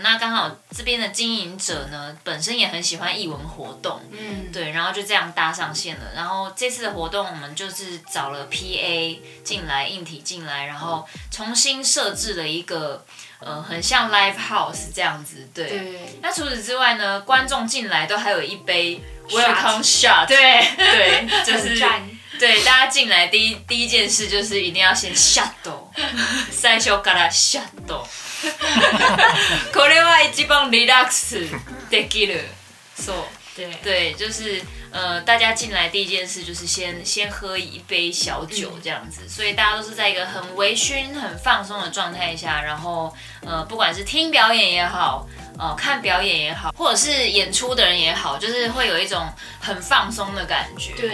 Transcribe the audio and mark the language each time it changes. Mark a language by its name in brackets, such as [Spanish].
[Chinese] 那刚好这边的经营者呢本身也很喜欢艺文活动，对，然后就这样搭上线了。然后这次的活动我们就是找了 PA 进来，硬体进来，然后重新设置了一个很像 live house 这样子。对，那除此之外呢，观众进来都还有一杯 welcome shot，对，就是对大家进来第一件事就是一定要先 shot， [Japanese] 最初から shot， これは一番リラックスできる。そう， [Chinese] 对，就是大家进来第一件事就是先喝一杯小酒这样子，所以大家都是在一个很微醺、很放松的状态下，然后不管是听表演也好，看表演也好，或者是演出的人也好，就是会有一种很放松的感觉。